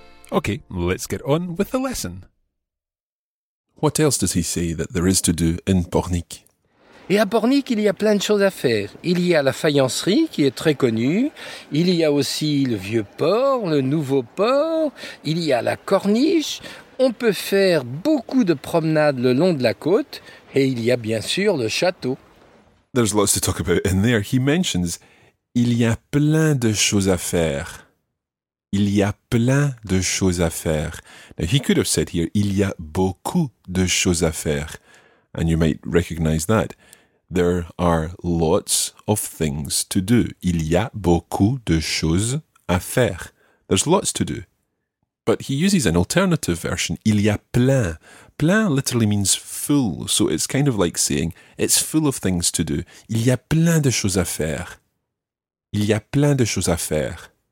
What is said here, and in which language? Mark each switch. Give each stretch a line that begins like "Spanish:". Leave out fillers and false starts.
English: Okay, let's get on with the lesson. What else does he say that there is to do in Pornic?
French: Et à Pornic, il y a plein de choses à faire. Il y a la faïencerie, qui est très connue. Il y a aussi le vieux port, le nouveau port. Il y a la corniche. On peut faire beaucoup de promenades le long de la côte. Et il y a bien sûr le château.
English: There's lots to talk about in there. He mentions,
French: il y a plein de choses à faire. Il y a plein de choses à faire.
English: Now, he could have said here,
French: il y a beaucoup de choses à faire.
English: And you might recognize that. There are lots of things to do.
French: Il y a beaucoup de choses à faire.
English: There's lots to do. But he uses an alternative version,
French: il y a plein.
English: Plein literally means full, so it's kind of like saying, it's full of things to do.
French: Il y a plein de choses à faire. Il y a plein de choses à faire.